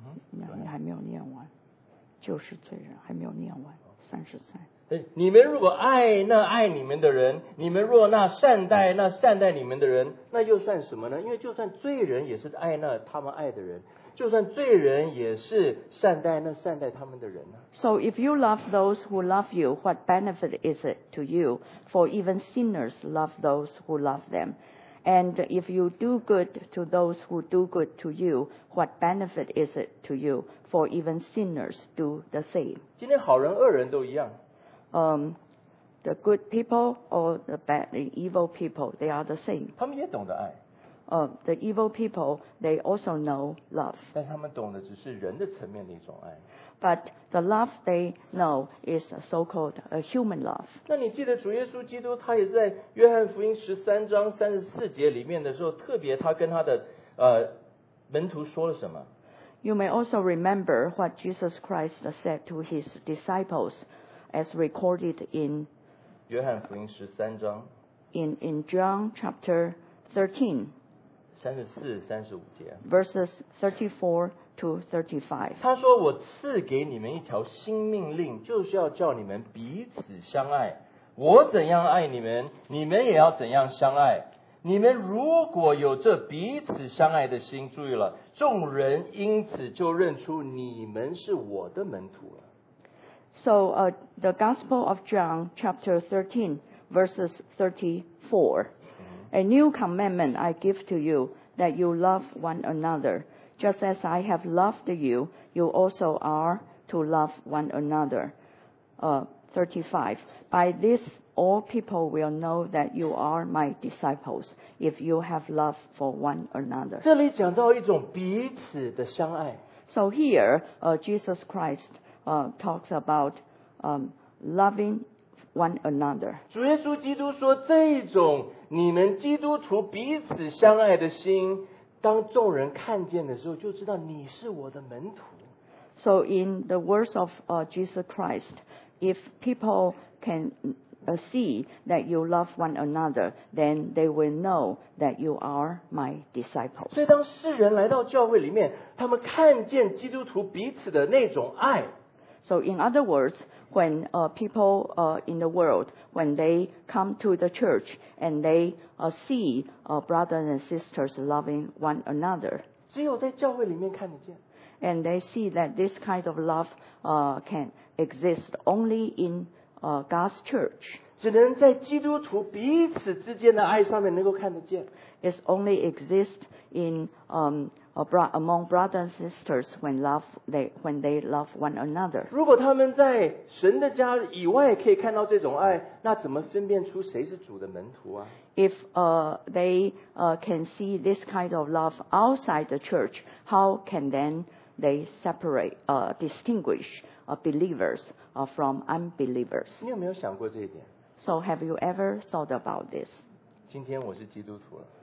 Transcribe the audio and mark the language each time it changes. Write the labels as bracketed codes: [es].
[zh] 你还没有念完，就是罪人还没有念完，33。” 你们如果爱那爱你们的人，你们若那善待那善待你们的人，那又算什么呢？因为就算罪人也是爱那他们爱的人，就算罪人也是善待那善待他们的人。 [en] So if you love those who love you, what benefit is it to you? For even sinners love those who love them. And if you do good to those who do good to you, what benefit is it to you? For even sinners do the same. [zh] 今天好人恶人都一样。 [en] The good people or the bad, the evil people, they are the same. [zh] 他们也懂得爱。 [en] The evil people, they also know love. [zh] 但他们懂的只是人的层面的一种爱。 [en] But the love they know is a so-called a human love. [zh] 那你记得主耶稣基督他也在约翰福音13:34里面的时候，特别他跟他的门徒说了什么？ [en] You may also remember what Jesus Christ said to his disciples. As recorded in [zh] 约翰福音十三章 [en] in John chapter 13 [zh] 34-35节 [en] verses 34-35 [zh] 他说我赐给你们一条新命令就是要叫你们彼此相爱我怎样爱你们你们也要怎样相爱你们如果有这彼此相爱的心注意了众人因此就认出你们是我的门徒了 [en] So, the Gospel of John, chapter 13, verses 34. A new commandment I give to you, that you love one another. Just as I have loved you, you also are to love one another. 35. By this, all people will know that you are my disciples, if you have love for one another. [zh] 这里讲到一种彼此的相爱。 [en] So here, Jesus Christ,talks about loving one another. [zh] 主耶稣基督说，这种你们基督徒彼此相爱的心，当众人看见的时候，就知道你是我的门徒。 [en] So in the words of Jesus Christ, if people can see that you love one another, then they will know that you are my disciples. [zh] 所以当世人来到教会里面，他们看见基督徒彼此的那种爱。 [en] So in other words, when people in the world, when they come to the church and they see brothers and sisters loving one another, [zh] 只有在教会里面看得见。 [en] And they see that this kind of love can exist only in God's church. [zh] 只能在基督徒彼此之间的爱上面能够看得见。 [en] It only exists in among brothers and sisters when they love one another. [zh] 如果他们在神的家以外可以看到这种爱，那怎么分辨出谁是主的门徒啊？ [en] If they can see this kind of love outside the church, how can then they separate distinguish believers from unbelievers? [zh] 你有没有想过这一点？ [en] So have you ever thought about this? [zh] 今天我是基督徒了。